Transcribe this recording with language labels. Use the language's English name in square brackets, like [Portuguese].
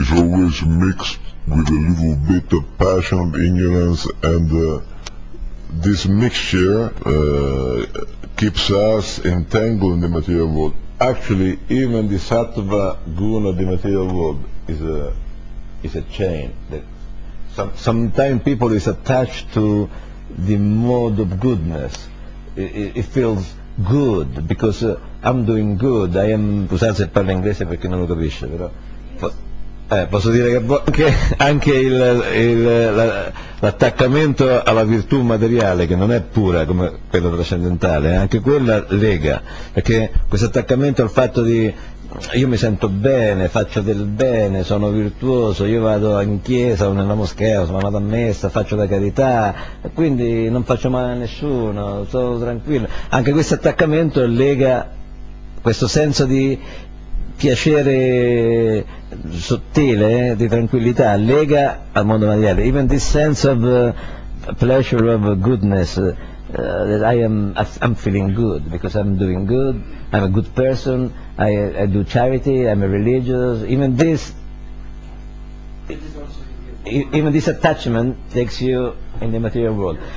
[English] It's always mixed with a little bit of passion, of ignorance, and this mixture keeps us entangled in the material world. Actually, even the sattva guna, the material world, is a chain that sometimes people is attached to the mode of goodness. It feels good because I'm doing good. I am. [Italian] Scusate, parlo inglese perché non lo capisce, però posso dire che anche l'attaccamento alla virtù materiale, che non è pura come quella trascendentale, anche quella lega, perché questo attaccamento al fatto di io mi sento bene, faccio del bene, sono virtuoso, io vado in chiesa o nella moschea, sono andato a messa, faccio la carità, quindi non faccio male a nessuno, sono tranquillo. Anche questo attaccamento lega questo senso di piacere sottile, di tranquillità, lega al mondo materiale. [English] Even this sense of pleasure, of goodness, that I'm feeling good because I'm doing good, I'm a good person, I do charity, I'm a religious, even this attachment takes you in the material world.